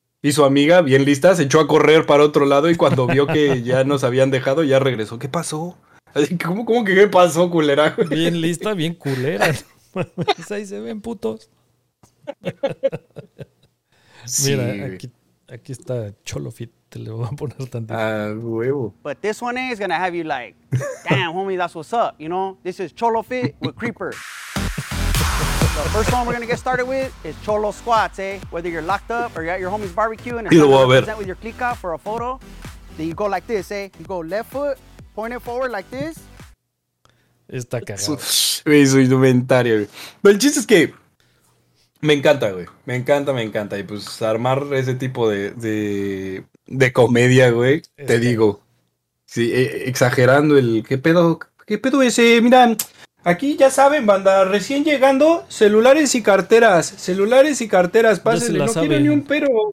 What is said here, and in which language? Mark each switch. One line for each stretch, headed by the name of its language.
Spanish: Y su amiga, bien lista, se echó a correr para otro lado y cuando vio que ya nos habían dejado, ya regresó. ¿Qué pasó? ¿Cómo que qué pasó, culera, güey? Bien lista, bien culera. Ahí se ven putos. Sí. Mira, aquí está Cholo Fit. Te le voy a poner tantito. Ah, huevo.
English: But this one is gonna have you like, damn, homie, that's what's up, you know? This is Cholo Fit with Creeper. The first one we're going to get started with is Cholo Squats, eh? Whether you're locked up or you're at your homie's barbecue and you're present with your clica for a photo, then you go like this, eh? You go left foot, point it forward like this.
Spanish: Está cagado. Su indumentaria, güey. Pero el chiste es que me encanta, güey. Me encanta, me encanta. Y pues armar ese tipo de comedia, güey, te digo. Sí, exagerando el qué pedo ese, mira... Aquí ya saben, banda, recién llegando, celulares y carteras, pásenle, no quiero ni un pero.